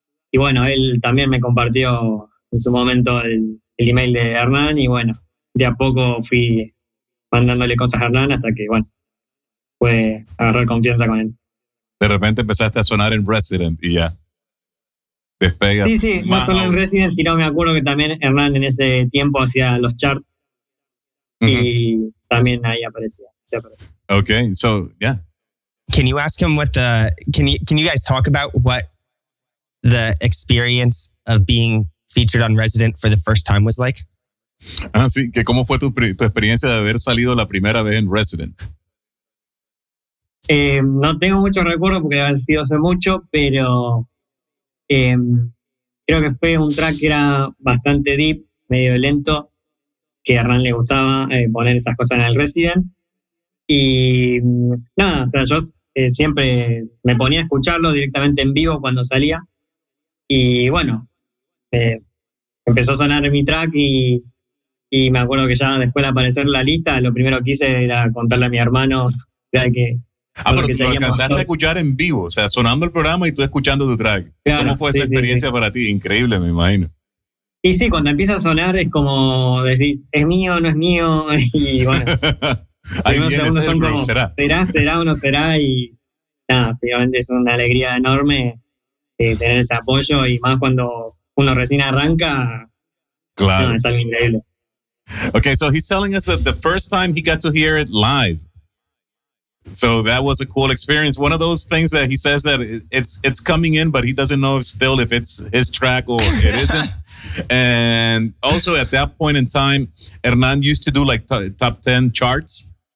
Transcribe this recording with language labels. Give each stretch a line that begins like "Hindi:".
Spanish: Y bueno, él también me compartió en su momento el email de Hernán y bueno, de a poco fui mandándole cosas a Hernán hasta que, bueno, pude agarrar confianza con él. De repente empezaste a sonar en Resident y ya, despega. Sí, sí, no solo en Resident, sino me acuerdo que también Hernán en ese tiempo hacía los charts y también ahí aparecía.
English: Okay, so yeah. Can you ask him what the can you guys talk about what the experience of being featured on Resident for the first time was like?
Spanish: Ah, sí, que cómo fue tu experiencia de haber salido la primera vez en Resident. No tengo mucho recuerdo porque ha sido hace mucho, pero creo que fue un track que era bastante deep, medio lento, que a Ran le gustaba poner esas cosas en el Resident. Y nada, o sea, yo siempre me ponía a escucharlo directamente en vivo cuando salía. Y bueno, empezó a sonar mi track y me acuerdo que ya después de aparecer la lista, lo primero que hice era contarle a mi hermano. Ya que pero que alcanzaste a escuchar en vivo, o sea, sonando el programa y tú escuchando tu track. Claro, ¿cómo fue esa experiencia para ti? Increíble, me imagino. Y sí, cuando empieza a sonar es como decís, ¿es mío o no es mío? Y bueno... Ahí viene segundos ese son break, como, ¿será o no será? Y nada, finalmente es una alegría enorme tener ese apoyo y más cuando uno recién arranca. Claro. No, es algo increíble.
English: Okay, so he's telling us that the first time he got to hear it live. So that was a cool experience. One of those things that he says that it's coming in, but he doesn't know still if it's his track or it isn't. And also at that point in time, Hernan used to do like top 10 charts.